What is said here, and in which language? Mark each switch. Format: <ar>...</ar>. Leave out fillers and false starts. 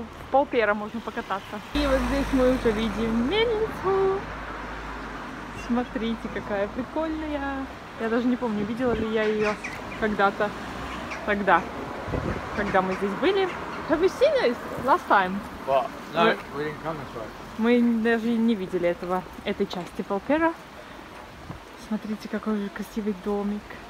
<ru>Пол пера можно покататься. И вот здесь мы уже видим мельницу. Смотрите, какая прикольная. Я даже не помню, видела ли я ее когда-то. Тогда. Когда мы здесь были.</ru> <en>Have you seen it last time? Well, no, we didn't come this way.</en> <ru>Мы даже не видели этого, этой части Пол пера. Смотрите, какой же красивый домик.</ru>